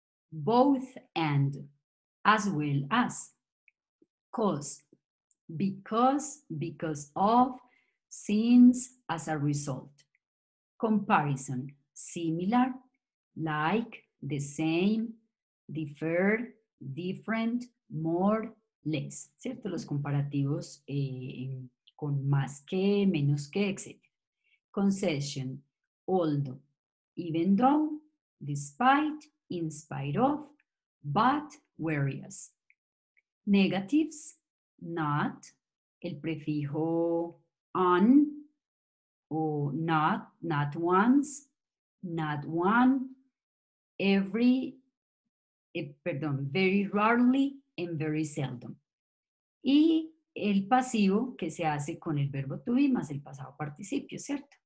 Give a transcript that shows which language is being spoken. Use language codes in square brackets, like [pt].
[en] Both and, as well as, cause, because of, since, as a result, comparison, similar, like, the same, differ, different, more, less, [es] ¿cierto? Los comparativos con más que, menos que, etc. [en] Concession, although, even though, despite, in spite of, but whereas. Negatives, not, [es] el prefijo on, o [en] not, not once, not one, every, [es] perdón, [en] very rarely and very seldom. [es] Y el pasivo que se hace con el verbo to be más el pasado participio, ¿cierto?